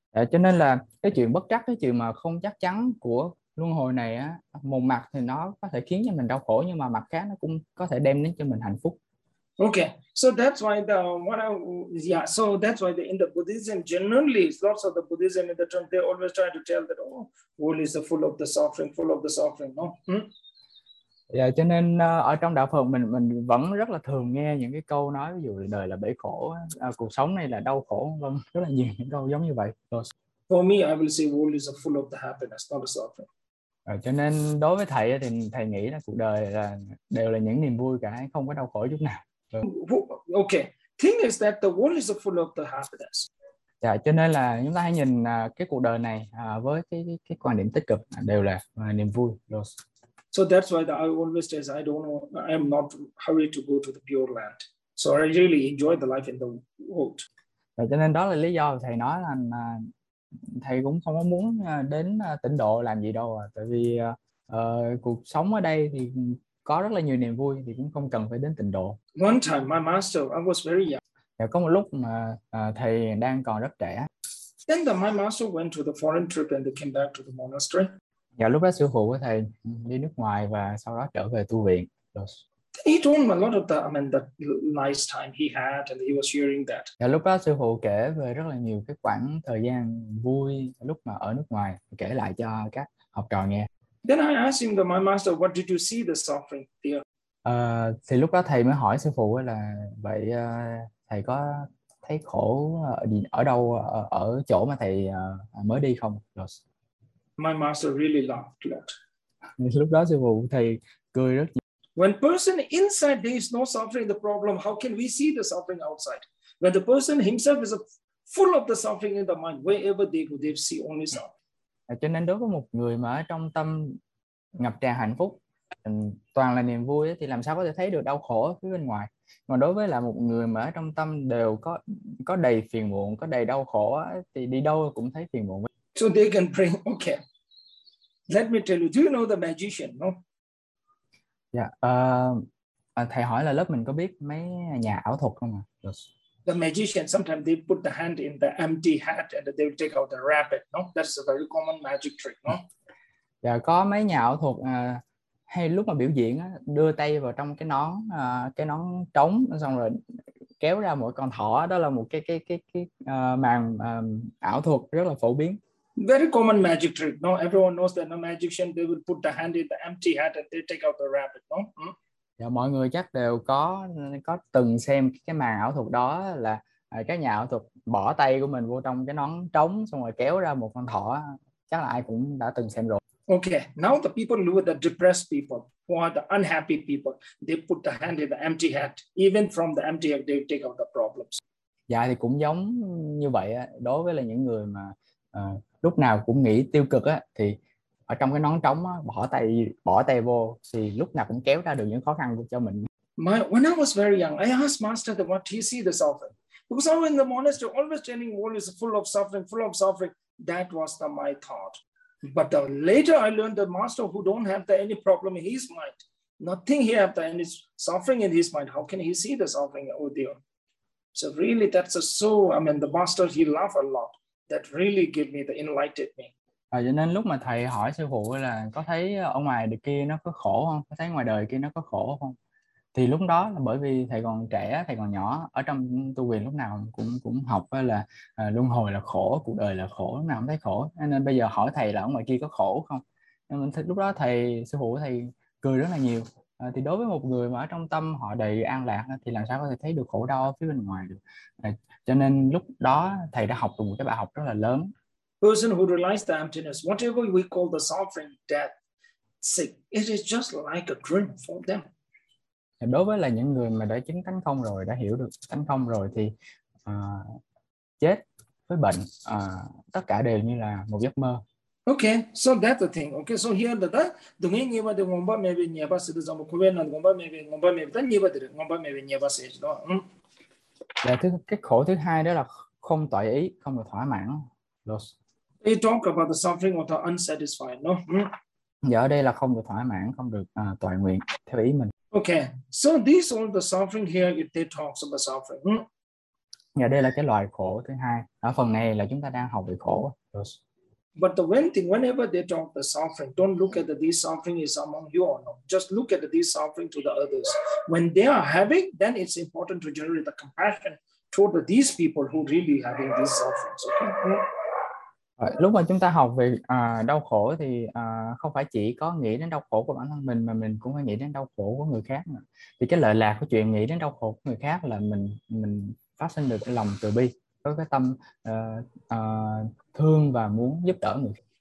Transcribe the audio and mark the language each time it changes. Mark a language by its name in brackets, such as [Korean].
[Vietnamese] Cho nên là cái chuyện bất trắc, cái chuyện mà không chắc chắn của luân hồi này á, một mặt thì nó có thể khiến cho mình đau khổ, nhưng mà mặt khác nó cũng có thể đem đến cho mình hạnh phúc. [English] Okay, so that's why the in the Buddhism generally lots of the Buddhism in the term they always try to tell that world is full of the suffering, no? [Vietnamese] Yeah, cho nên ở trong đạo Phật mình vẫn rất là thường nghe những cái câu nói ví dụ là đời là bể khổ, cuộc sống này là đau khổ, vâng, rất là nhiều những câu giống như vậy. [English] For me, I will say world is full of the happiness, not the suffering. [Vietnamese] Cho nên đối với thầy thì thầy nghĩ là cuộc đời là đều là những niềm vui cả, không có đau khổ chút nào. [English] Okay, thing is that the world is full of the happiness. [Vietnamese] Dạ, cho nên là chúng ta hãy nhìn cái cuộc đời này với cái quan điểm tích cực đều là niềm vui. [English] So that's why I always say I am not hurried to go to the pure land. So I really enjoy the life in the world. [Vietnamese] Và cho nên đó là lý do thầy nói là thầy cũng không có muốn đến tịnh độ làm gì đâu, tại vì cuộc sống ở đây thì có rất là nhiều niềm vui thì cũng không cần phải đến tịnh độ. [English] One time my master, I was very young. [Vietnamese] Và có một lúc mà thầy đang còn rất trẻ. [English] Then my master went to the foreign trip and they came back to the monastery. [Vietnamese] Dạ, lúc đó sư phụ của thầy đi nước ngoài và sau đó trở về tu viện. [English] He told a lot of the nice time he had and he was sharing that. [Vietnamese] Dạ, lúc đó sư phụ kể về rất là nhiều cái khoảng thời gian vui lúc mà ở nước ngoài, kể lại cho các học trò nghe. [English] Then I asked him, my master, what did you see the suffering there? [Vietnamese] Thì lúc đó thầy mới hỏi sư phụ là vậy thầy có thấy khổ ở đâu, ở chỗ mà thầy mới đi không? [English] My master really laughed a lot. [Vietnamese] Lúc đó sư phụ thầy cười rất nhiều. [English] When person inside there is no suffering, the problem, how can we see the suffering outside? When the person himself is full of the suffering in the mind, wherever they go, they see only suffering. [Vietnamese] Cho nên đối với một người mà ở trong tâm ngập tràn hạnh phúc, toàn là niềm vui thì làm sao có thể thấy được đau khổ phía bên ngoài. Còn đối với là một người mà ở trong tâm đều có đầy phiền muộn, có đầy đau khổ thì đi đâu cũng thấy phiền muộn. [English] So they can bring, okay. Let me tell you, do you know the magician, no? Yeah. [Vietnamese] Thầy hỏi là lớp mình có biết mấy nhà ảo thuật không ạ? [English] Yes. The magician, sometimes they put the hand in the empty hat and they will take out the rabbit, no? That's a very common magic trick, no? [Vietnamese] Yeah, có mấy nhà ảo thuật hay lúc mà biểu diễn á, đưa tay vào trong cái nón trống xong rồi kéo ra một con thỏ, đó là một cái màn ảo thuật rất là phổ biến. [English] Very common magic trick. No, everyone knows that a magician they will put the hand in the empty hat and they take out the rabbit. No. [Vietnamese] Dạ, mọi người chắc đều có từng xem cái màn ảo thuật đó là các nhà ảo thuật bỏ tay của mình vô trong cái nón trống xong rồi kéo ra một con thỏ. Chắc là ai cũng đã từng xem rồi. [English] Okay, now the people who are the depressed people, who are the unhappy people, they put the hand in the empty hat. Even from the empty hat, they take out the problems. [Vietnamese] Dạ, thì cũng giống như vậy á. Đối với là những người mà lúc nào cũng nghĩ tiêu cực á, thì ở trong cái nón trống á, bỏ tay vô thì lúc nào cũng kéo ra được những khó khăn cho mình. [English] My when I was very young, I asked Master that what he see the suffering. Because I was in the monastery, always telling the world is full of suffering, full of suffering. That was the my thought. But the, later I learned the Master who don't have the any problem in his mind. Nothing he have the any suffering in his mind. How can he see the suffering, oh dear? So really that's a so, I mean the Master he laugh a lot. That really give me the enlightened me. [Vietnamese] À, cho nên lúc mà thầy hỏi sư phụ là có thấy ở ngoài đời kia nó có khổ không? Có thấy ngoài đời kia nó có khổ không? Thì lúc đó là bởi vì thầy còn trẻ, thầy còn nhỏ, ở trong tu viện lúc nào cũng cũng học là luân hồi là khổ, cuộc đời là khổ, lúc nào cũng thấy khổ. Nên bây giờ hỏi thầy là ở ngoài kia có khổ không? Nên lúc đó thầy, sư phụ thầy cười rất là nhiều. À, thì đối với một người mà ở trong tâm họ đầy an lạc thì làm sao có thể thấy được khổ đau phía bên ngoài được. À, cho nên lúc đó thầy đã học được một cái bài học rất là lớn. [English] Person who realized the emptiness, whatever we call the suffering, death, sick, it is just like a dream for them. [Vietnamese] Đối với là những người mà đã chứng tánh không rồi, đã hiểu được tánh không rồi thì chết với bệnh, tất cả đều như là một giấc mơ. [English] Okay, so that's the thing. Okay, so here the thing is that the Gomba may be Nyeba Siddha Zambu Kuvena, Gomba may be the Nyeba Siddha, Gomba may be Nyeba Siddha. [Vietnamese] Cái khổ thứ hai đó là không tỏa ý, không được thỏa mãn. [English] Lost. You talk about the suffering or the unsatisfied, no? [Vietnamese] Giờ ở đây là không được thỏa mãn, không được toàn nguyện theo ý mình. [English] Okay, so these all the suffering here, if they talk about suffering. [Vietnamese] Giờ đây là cái loại khổ thứ hai. Ở phần này là chúng ta đang học về khổ. [English] Lost. But the one thing, whenever they talk the suffering, don't look at the, this suffering is among you or not. Just look at the, this suffering to the others. When they are having, then it's important to generate the compassion toward the, these people who really having these sufferings. Okay? Mm-hmm. [Vietnamese] Lúc mà chúng ta học về đau khổ thì không phải chỉ có nghĩ đến đau khổ của bản thân mình mà mình cũng phải nghĩ đến đau khổ của người khác nữa. Thì cái lợi lạc của chuyện nghĩ đến đau khổ của người khác là mình phát sinh được cái lòng từ bi, có cái tâm thương và muốn giúp đỡ người khác.